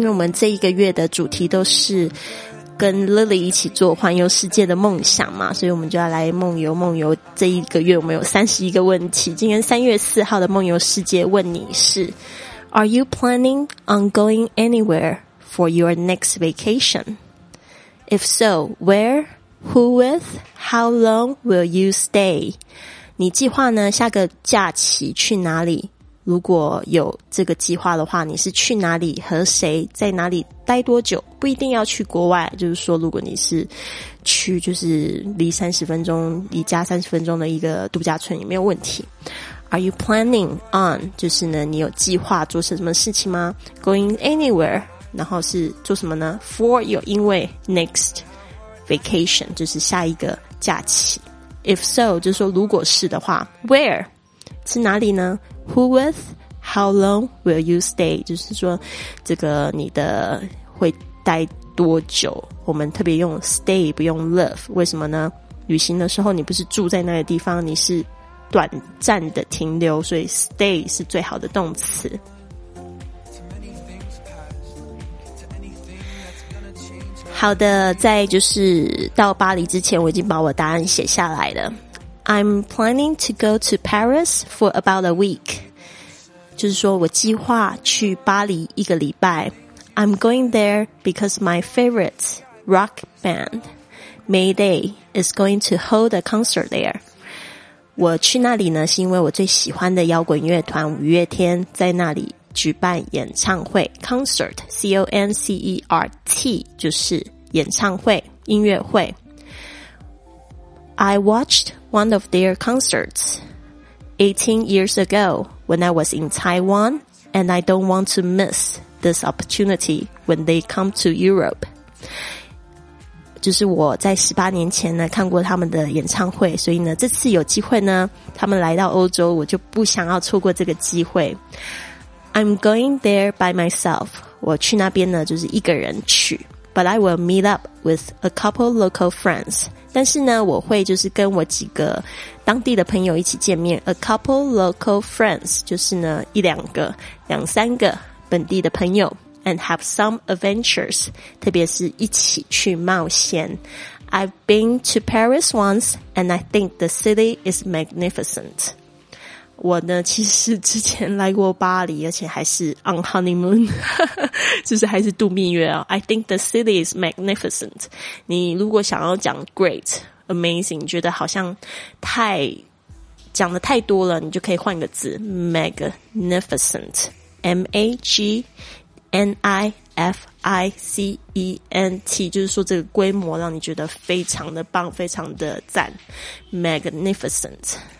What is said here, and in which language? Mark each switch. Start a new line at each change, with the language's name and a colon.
Chinese: 因为我们这一个月的主题都是跟 Lily 一起做环游世界的梦想嘛，所以我们就要来梦游梦游。这一个月我们有31个问题，今天3月4号的梦游世界问你是
English: Are you planning on going anywhere for your next vacation? If so, where, who with, how long will you stay?
Chinese: 你计划呢下个假期去哪里？如果有这个计划的话，你是去哪里，和谁，在哪里待多久？不一定要去国外，就是说如果你是去就是离30分钟，离家30分钟的一个度假村也没有问题。
English: Are you planning on
Chinese: 就是呢你有计划做什么事情吗？
English: Going anywhere
Chinese: 然后是做什么呢？
English: For your
Chinese: 因为
English: next vacation
Chinese: 就是下一个假期。
English: If so
Chinese: 就是说如果是的话， Where 是哪里呢？
English: Who with? How long will you stay?
Chinese: 就是说这个你的会待多久。我们特别用 stay 不用 live， 为什么呢？旅行的时候你不是住在那个地方，你是短暂的停留，所以 stay 是最好的动词。好的，在就是到巴黎之前我已经把我答案写下来了。
English: I'm planning to go to Paris for about a week.
Chinese: 就是说我计划去巴黎一个礼拜。
English: I'm going there because my favorite rock band, Mayday, is going to hold a concert there.
Chinese: 我去那里呢，是因为我最喜欢的摇滚乐团五月天在那里举办演唱会。 Concert, C-O-N-C-E-R-T, 就是演唱会，音乐会。
English: I watched one of their concerts 18 years ago when I was in Taiwan, and I don't want to miss this opportunity when they come to Europe.
Chinese: 就是我在18年前呢看过他们的演唱会，所以呢这次有机会呢他们来到欧洲，我就不想要错过这个机会。
English: I'm going there by myself.
Chinese: 我去那边呢就是一个人去。
English: But I will meet up with a couple local friends.
Chinese: 但是呢我会就是跟我几个当地的朋友一起见面。
English: A couple local friends
Chinese: 就是呢一两个两三个本地的朋友。
English: And have some adventures
Chinese: 特别是一起去冒险。
English: I've been to Paris once and I think the city is magnificent.
Chinese: 我呢其实之前来过巴黎，而且还是
English: on honeymoon
Chinese: 就是还是度蜜月啊。
English: I think the city is magnificent.
Chinese: 你如果想要讲 great, amazing, 觉得好像太讲的太多了，你就可以换个字 magnificent, M-A-G-N-I-F-I-C-E-N-T, 就是说这个规模让你觉得非常的棒，非常的赞 magnificent。